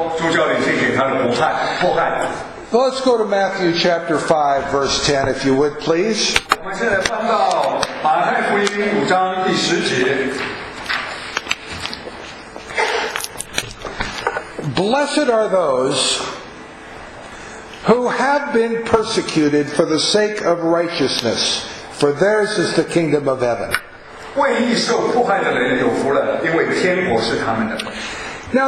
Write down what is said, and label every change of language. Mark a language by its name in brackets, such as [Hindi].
[Chinese] 耶稣基督受到了很多宗教领袖给他的迫害。 [English] Let's go to Matthew chapter 5, verse 10, if you would, please. [Chinese] 我们现在翻到马太福音5章第10节。 [English] Blessed are those who have been persecuted for the sake of righteousness, for theirs is the kingdom of heaven. [Chinese] 为义受迫害的人有福了，因为天国是他们的。Now